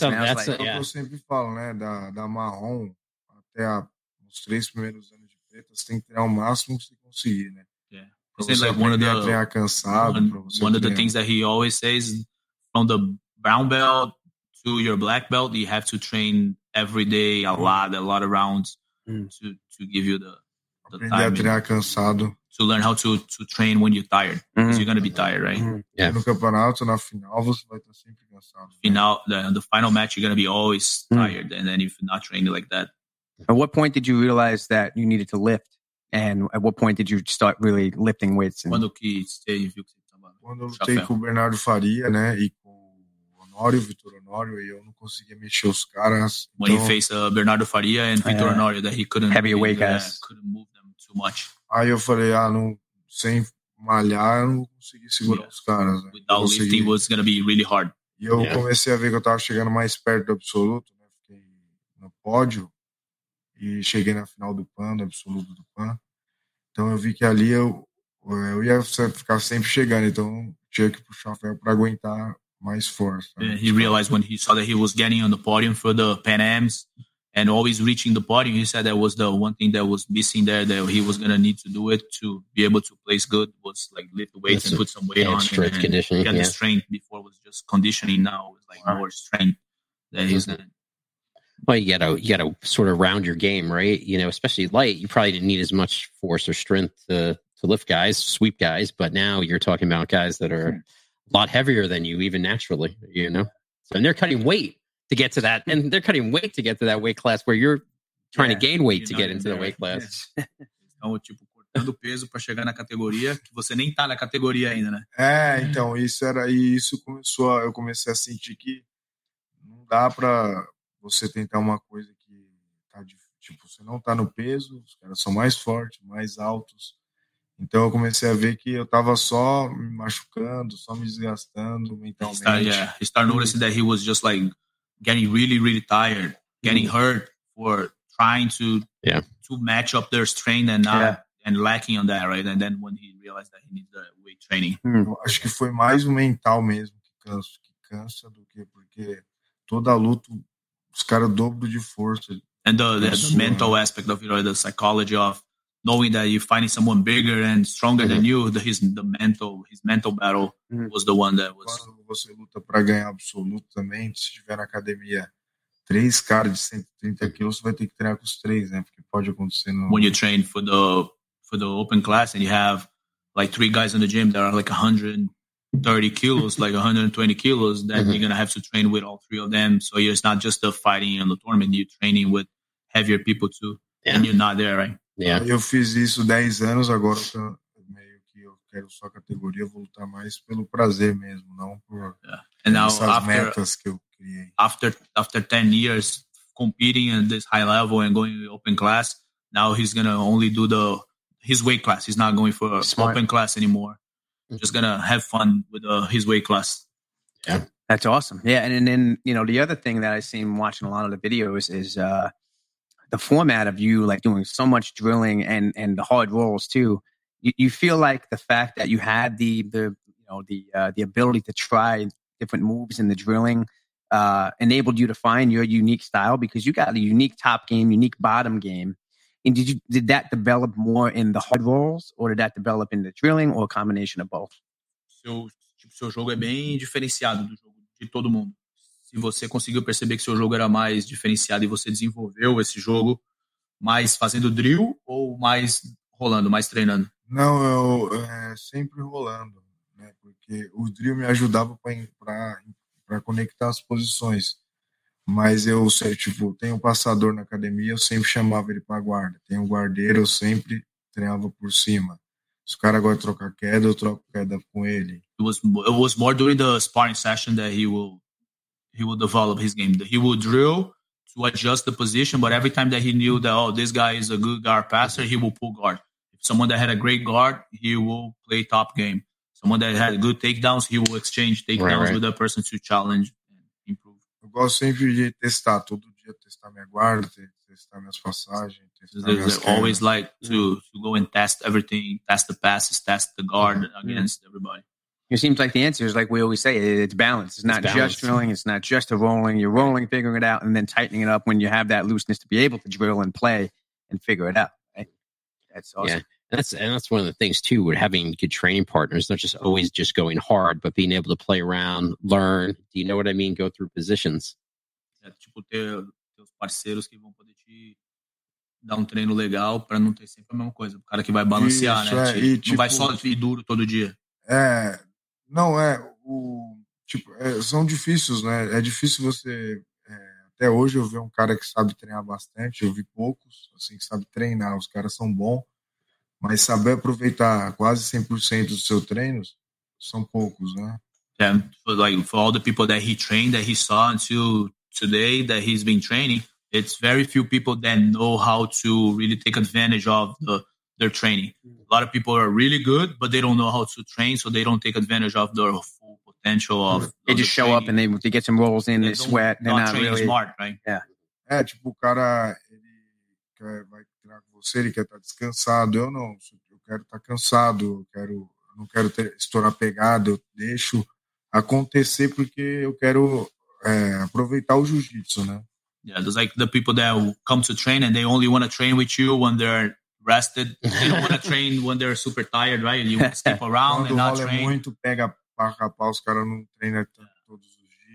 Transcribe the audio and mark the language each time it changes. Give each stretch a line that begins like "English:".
Portuguese: Eu sempre falo, né, da marrom até os 3 primeiros anos de preto, você tem que treinar o máximo que você conseguir, né?
English: One of the things that he always says, from the brown belt to your black belt, you have to train every day a lot of rounds to give you the time
Portuguese: a treinar cansado.
English: To learn how to train when you're tired, because you're going to be tired, right? Yeah.
Portuguese: No campeonato, na final, você vai estar sempre cansado.
English: Final, the final match, you're going to be always tired, and then if you're not training like that. At what point did you realize that you needed to lift? And at what point did you start really lifting weights?
Portuguese: Quando eu lutei com o Bernardo Faria, né, e com o Honório, Vitor Honório, e eu não conseguia mexer os caras.
English: When he faced Bernardo Faria and Vitor Honório, that he couldn't, couldn't move them too much.
Portuguese: Aí eu falei, sem malhar, eu não consegui segurar os caras. Né?
English: Without lifting, it was going to be really hard.
Portuguese: E eu comecei a ver que eu estava chegando mais perto do absoluto, né, fiquei no pódio. E cheguei na final do PAN, do absoluto do PAN. Então eu vi que ali eu ia ficar sempre chegando. Então tinha que puxar o ferro para aguentar mais força.
English: Yeah, he realized when he saw that he was getting on the podium for the Pan Ams and always reaching the podium, he said that was the one thing that was missing there, that he was going to need to do it to be able to place good, was like lift the weights and put some weight on. Strength and conditioning. Get the strength. Before was just conditioning. Now it's like more strength that he's going to. Well, you gotta sort of round your game, right? You know, especially light, you probably didn't need as much force or strength to lift guys, sweep guys. But now you're talking about guys that are a lot heavier than you, even naturally, you know? So, and they're cutting weight to get to that. And they're cutting weight to get to that weight class where you're trying to gain weight to get into the weight class.
Portuguese: Então, tipo, cortando peso para chegar na categoria, que você nem tá na categoria ainda, né? Então, eu comecei a sentir que não dá para você tentar uma coisa que tá de, tipo, você não tá no peso, os caras são mais fortes, mais altos. Então eu comecei a ver que eu tava só me machucando, só me desgastando mentalmente.
English: He started noticing that he was just like getting really, really tired, getting hurt for trying to match up their strength and not and lacking on that, right? And then when he realized that he needed the weight training.
Portuguese: Acho que foi mais o mental mesmo que cansa do que porque toda a luta. Os caras dobro de força.
English: And the mental aspect of it, or the psychology of knowing that you're finding someone bigger and stronger than you, his mental battle was the one that was.
Portuguese: Quando você luta para ganhar absoluto também, se tiver na academia 3 caras de 130 quilos, você vai ter que treinar com os 3, né? Porque pode acontecer no.
English: When you train for the open class and you have like 3 guys in the gym that are like 130 kilos, like 120 kilos, then you're going to have to train with all 3 of them. So it's not just the fighting and the tournament, you're training with heavier people too. Yeah. And you're not there, right? Yeah.
Portuguese: Eu fiz isso 10 anos, agora tô meio que eu quero só categoria, vou lutar mais pelo prazer mesmo, não por metas que eu criei.
English: After 10 years competing at this high level and going open class, now he's going to only do his weight class. He's not going for open class anymore. Just gonna have fun with his weight class. Yeah, that's awesome. Yeah, and then you know the other thing that I've seen watching a lot of the videos is the format of you like doing so much drilling and the hard rolls too. You feel like the fact that you had the ability to try different moves in the drilling enabled you to find your unique style, because you got a unique top game, unique bottom game. And did that develop more in the hard rolls, or did that develop in the drilling, or a combination of both?
Portuguese: Seu jogo é bem diferenciado do jogo de todo mundo. Se você conseguiu perceber que seu jogo era mais diferenciado e você desenvolveu esse jogo mais fazendo drill ou mais rolando, mais treinando? Não, eu sempre rolando, né? Porque o drill me ajudava para conectar as posições. Mas eu sei, tipo, tem um passador na academia, eu sempre chamava ele para guarda. Tem um guardeiro, eu sempre treinava por cima. Se o cara agora trocar queda, eu troco queda com ele.
English: It was more during the sparring session that he will develop his game. He will drill to adjust the position, but every time that he knew that, oh, this guy is a good guard passer, he will pull guard. If someone that had a great guard, he will play top game. Someone that had good takedowns, he will exchange takedowns right. with that person to challenge and improve.
Portuguese: Eu gosto sempre de testar, todo dia testar minha guarda, testar minhas passagens, testar minhas quedas.
English: Always like to go and test everything, test the passes, test the guard mm-hmm. against everybody. It seems like the answer is like we always say, it's balance. It's not balance. Just drilling. It's not just a rolling. You're rolling, figuring it out, and then tightening it up when you have that looseness to be able to drill and play and figure it out. Right? That's awesome. Yeah. That's one of the things too, with having good training partners, not just always just going hard, but being able to play around, learn. Do you know what I mean? Go through positions.
Portuguese: É, tipo, ter os parceiros que vão poder te dar treino legal para não ter sempre a mesma coisa. O cara que vai balancear, isso, né? É, tipo, não vai só ir duro todo dia. É, não é, o tipo, são difíceis, né? É difícil você, até hoje eu vi um cara que sabe treinar bastante, eu vi poucos, assim, que sabe treinar, os caras são bons, mas saber aproveitar quase 100% dos seus treinos, são poucos, né?
English: Yeah, for like, for all the people that he trained, that he saw until today, that he's been training, it's very few people that know how to really take advantage of their training. A lot of people are really good, but they don't know how to train, so they don't take advantage of their full potential of they just show training. Up and they get some rolls in, they sweat, they're not really smart, right? Yeah.
Portuguese: É, tipo, o cara, ele quer, vai treinar com você, ele quer estar descansado, eu não, eu quero estar cansado, eu não quero estourar pegada, eu deixo acontecer porque eu quero aproveitar o jiu-jitsu, né?
English: Yeah, there's like the people that come to train and they only want to train with you when they're rested. They don't want to train when they're super tired, right? You skip around
Portuguese: quando
English: and not train.
Portuguese: Muito, pega para capar, os caras não treinam todos os dias.